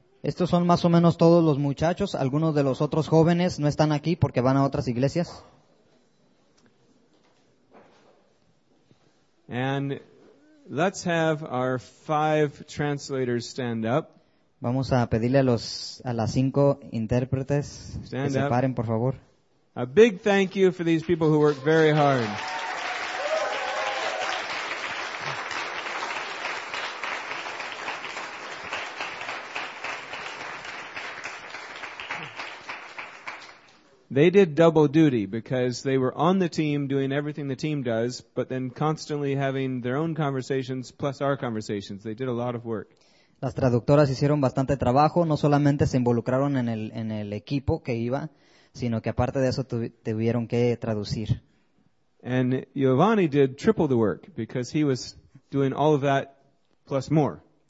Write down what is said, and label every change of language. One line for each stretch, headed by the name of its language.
Spanish: Estos son más o menos todos los muchachos. Algunos de los otros jóvenes no están aquí porque van a otras iglesias.
English: And let's have our five translators stand up.
Spanish: Vamos a pedirle a las cinco intérpretes
English: stand
Spanish: que
English: up.
Spanish: Se paren, por favor.
English: A big thank you for these people who work very hard. They did double duty because they were on the team doing everything the team does, but then constantly having their own conversations plus our conversations. They did a lot of work.
Spanish: Las traductoras hicieron bastante trabajo, no solamente se involucraron en el equipo que iba, sino que aparte de eso tuvieron que traducir.
English: And Giovanni did triple the work because he was doing all of that plus more.